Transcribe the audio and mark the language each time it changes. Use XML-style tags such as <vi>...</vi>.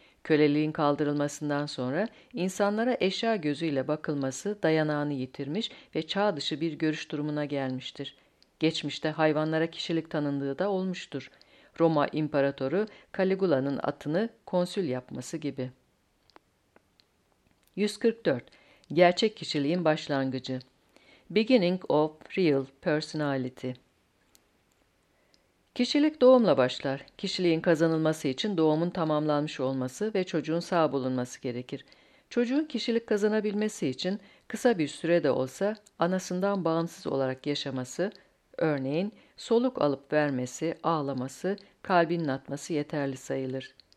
<tr>Köleliğin kaldırılmasından sonra insanlara eşya gözüyle bakılması dayanağını yitirmiş ve çağ dışı bir görüş durumuna gelmiştir. Geçmişte hayvanlara kişilik tanındığı da olmuştur. Roma İmparatoru Caligula'nın atını konsül yapması gibi. 144. Gerçek kişiliğin başlangıcı.</tr> <en>Beginning of real personality.</en> <tr>Kişilik doğumla başlar. Kişiliğin kazanılması için doğumun tamamlanmış olması ve çocuğun sağ bulunması gerekir. Çocuğun kişilik kazanabilmesi için kısa bir süre de olsa anasından bağımsız olarak yaşaması, örneğin soluk alıp vermesi, ağlaması, kalbinin atması yeterli sayılır.</tr>